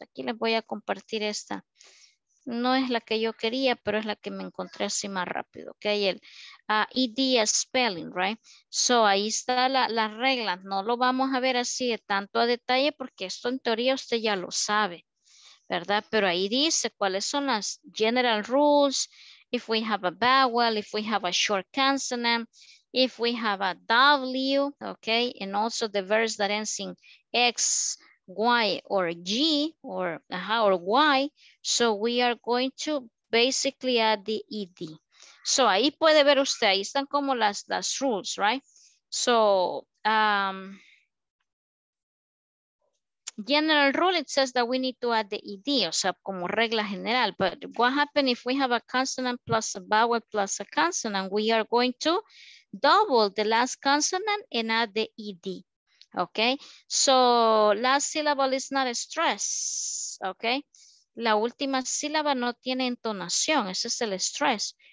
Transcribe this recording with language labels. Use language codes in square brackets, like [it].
[es] Aquí les voy a compartir esta. No es la que yo quería, pero es la que me encontré así más rápido. [en] Okay, [es] el ED [en] spelling, right? So [es] ahí está la regla. No lo vamos a ver así de tanto a detalle porque esto en teoría usted ya lo sabe, ¿verdad? Pero ahí dice cuáles son las [en] general rules. If we have a vowel, if we have a short consonant, if we have a W, okay, and also the verbs that ends in X, Y, or G, or how or Y, so we are going to basically add the ED. [es] So ahí puede ver usted, ahí están como las [en] rules, right? So general rule, it says that we need to add the ED, [es] o sea, como regla general. [en] But what happens if we have a consonant plus a vowel plus a consonant? We are going to double the last consonant and add the ED. Okay, so last syllable is not a stress. [es] Okay, la última sílaba no tiene entonación, ese es el stress.